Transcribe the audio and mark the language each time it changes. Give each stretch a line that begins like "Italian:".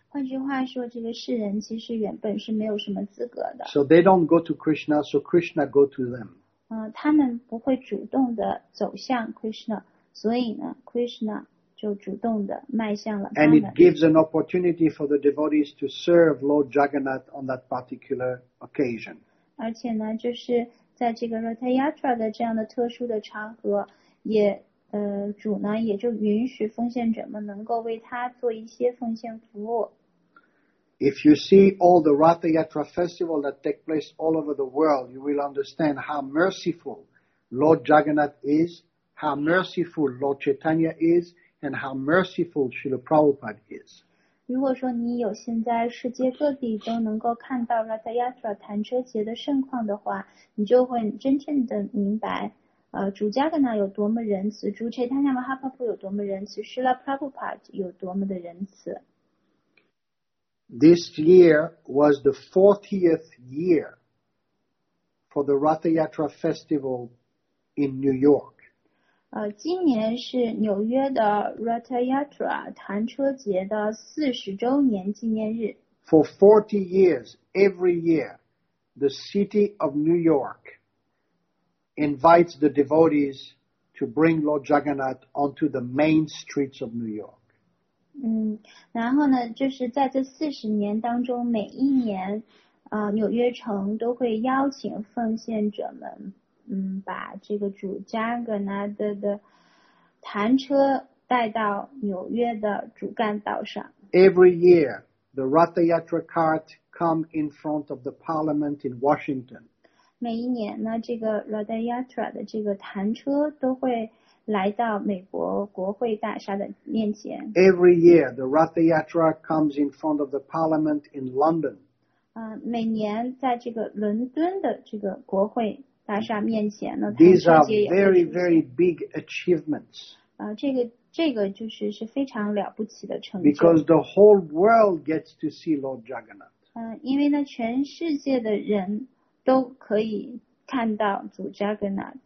Chinese: 换句话说，这个世人其实原本是没有什么资格的。
English: So they don't go to Krishna, so Krishna go to them.
Chinese: 他们不会主动的走向 Krishna, 所以呢 ，Krishna 就主动的迈向了他们。
English: And it gives an opportunity for the devotees to serve Lord Jagannath on that particular occasion.
Chinese: 而且呢，就是在这个 Rathayatra 的这样的特殊的场合，也。主呢也就允许奉献者们能够为他做一些奉献服务。
English: If you see all the Rathayatra festival that take place all over the world, you will understand how merciful Lord Jagannath is, how merciful Lord Chaitanya is, and how merciful Srila Prabhupada is.
Chinese: 如果说你有现在世界各地都能够看到 Rathayatra 弹车节的盛况的话，你就会真正的明白。主加格纳有多么仁慈，主切他那么哈帕普有多么仁慈，施拉普拉布帕有多么的仁慈。
English: This year was the 40th year for the Rathayatra festival in New York.
Chinese: 今年是纽约的 Rathayatra 弹车节的40周年纪念日。
English: For 40 years, every year, the city of New York. Invites the devotees to bring Lord Jagannath onto the main streets of New York.
Chinese: 然后呢，就是在这四十年当中，每一年，纽约城都会邀请奉献者们，把这个主 Jagannath 的弹车带到纽约的主干道上。
English: Every year, the Rathayatra cart come in front of the Parliament in Washington.
Chinese: 每一年呢，这个 Rathayatra 的这个弹车都会来到美国国会大厦的面前。
English: Every year, the Rathayatra comes in front of the Parliament in London.
Chinese: 每年在这个伦敦的这个国会大厦面前呢，
English: These are very, very big achievements.
Chinese: 这个就是是非常了不起的成就。
English: Because the whole world gets to see Lord Jagannath.
Chinese: 因为呢，全世界的人都可以看到主 Jagannath.